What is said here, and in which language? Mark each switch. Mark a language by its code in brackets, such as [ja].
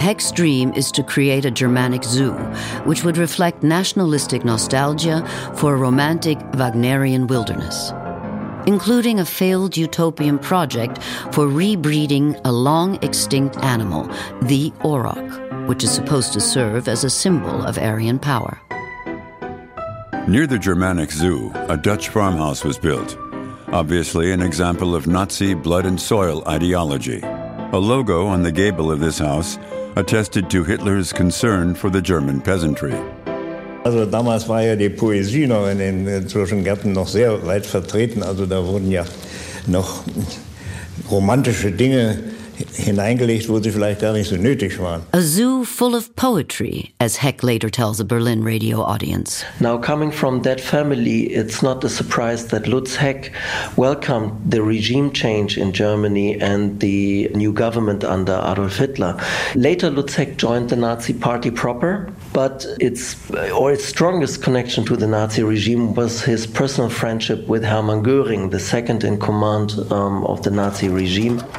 [en] Heck's dream is to create a Germanic zoo, which would reflect nationalistic nostalgia for a romantic Wagnerian wilderness, including a failed utopian project for rebreeding a long-extinct animal, the auroch, which is supposed to serve as a symbol of Aryan power. Near the Germanic zoo, a Dutch farmhouse was built, obviously an example of Nazi blood and soil ideology. A logo on the gable of this house attested to Hitler's concern for the German peasantry. [de] Also damals war ja die Poesie noch in den Zwischen Gärten noch sehr weit vertreten. Also da wurden ja noch romantische Dinge hineingelegt, wo sie vielleicht gar nicht so nötig waren. [en] A zoo full of poetry, as Heck later tells a Berlin radio audience. Now coming from that family, it's not a surprise that Lutz Heck welcomed the regime change in Germany and the new government under Adolf Hitler. Later Lutz Heck joined the Nazi party proper. But its strongest connection to the Nazi regime was his personal friendship with Hermann Göring, the second in command of the Nazi regime.